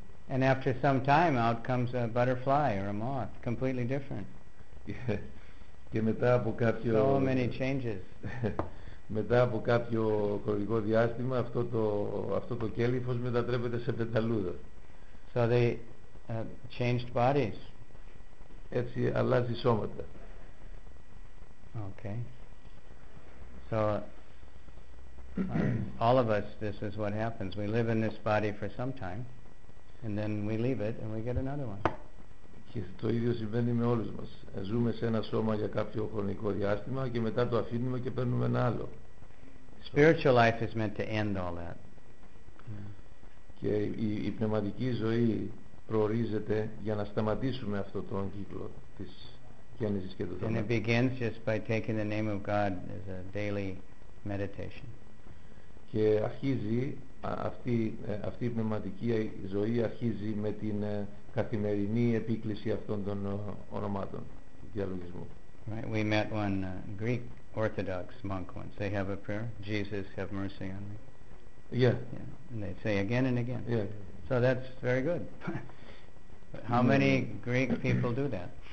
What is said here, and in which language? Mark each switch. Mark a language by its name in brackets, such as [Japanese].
[English] And after some time, out comes a butterfly or a moth, completely different. [Greek] Και μετά από κάποιο [English] so many changes. [Greek] Μετά από κάποιο χρονικό διάστημα αυτό το κέλυφος μετατρέπεται σε πεταλούδα. [English] So they changed bodies. [Greek] Έτσι αλλάζει σώματα. [English] Okay. So all of us, this is what happens. We live in this body for some time, and then we leave it and we get another one. [Greek] Και το ίδιο συμβαίνει με όλους μας. Ζούμε σε ένα σώμα για κάποιο χρονικό διάστημα και μετά το αφήνουμε και παίρνουμε ένα άλλο. [English] Spiritual life is meant to end all that. [Greek] Και η πνευματική ζωή προορίζεται για να σταματήσουμε αυτό τον κύκλο της γέννησης και του θανάτου. [English] And it begins just by taking the name of God as a daily meditation. [Greek] Και αρχίζει αυτή η πνευματική ζωή αρχίζει με την καθημερινή επίκληση αυτών των ονομάτων διαλογισμού. [English] Right, we met one Greek Orthodox monk once. They have a prayer, Jesus have mercy on me. Yeah. And they say again and again. Yeah. So that's very good. How many Greek people do that?